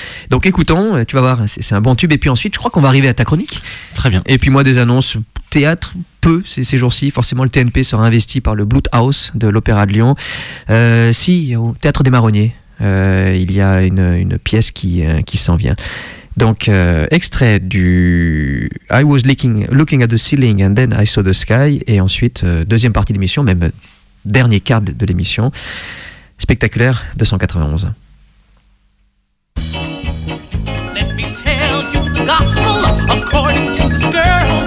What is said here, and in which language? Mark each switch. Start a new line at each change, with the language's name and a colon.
French: Donc écoutons, tu vas voir, c'est un bon tube, et puis ensuite je crois qu'on va arriver à ta chronique. Très bien. Et puis moi des annonces, théâtre, peu ces jours-ci, forcément le TNP sera investi par le Bluthaus de l'Opéra de Lyon. Si, au Théâtre des Marronniers, il y a une pièce qui s'en vient. Donc, extrait du I was looking at the ceiling and then I saw the sky. Et ensuite, deuxième partie de l'émission, même dernier quart de l'émission. Spectaculaire 291.
English: Let me tell you the gospel according to this girl.